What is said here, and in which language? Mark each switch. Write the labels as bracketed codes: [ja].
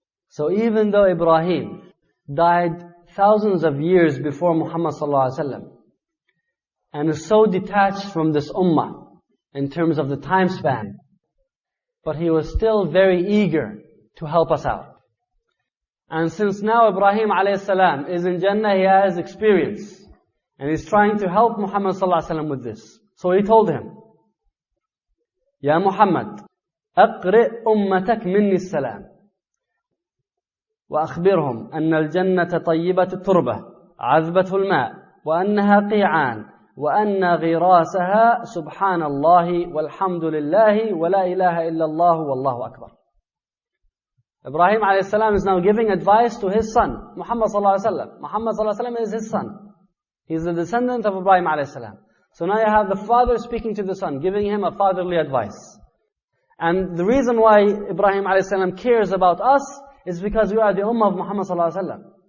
[en] So even though Ibrahim died thousands of years before Muhammad sallallahu alayhi wa sallam, and is so detached from this ummah in terms of the time span, but he was still very eager to help us out. And since now Ibrahim alayhi salam is in Jannah, he has experience. And he's trying to help Muhammad sallallahu alayhi wa sallam with this. So he told him, Ya Muhammad, [ar] أقرئ أمتك مني السلام وأخبرهم أن الجنة طيبة التربة عذبة الماء وأنها قيعان وأن غراسها سبحان الله والحمد لله ولا إله إلا الله والله أكبر. [en] Ibrahim عليه السلام is now giving advice to his son Muhammad صلى الله عليه وسلم. Muhammad صلى الله عليه وسلم is his son. He is the descendant of Ibrahim عليه السلام. So now you have the father speaking to the son, giving him a fatherly advice. And the reason why Ibrahim alayhi salam cares about us is because we are the ummah of Muhammad sallallahu alayhi wasallam.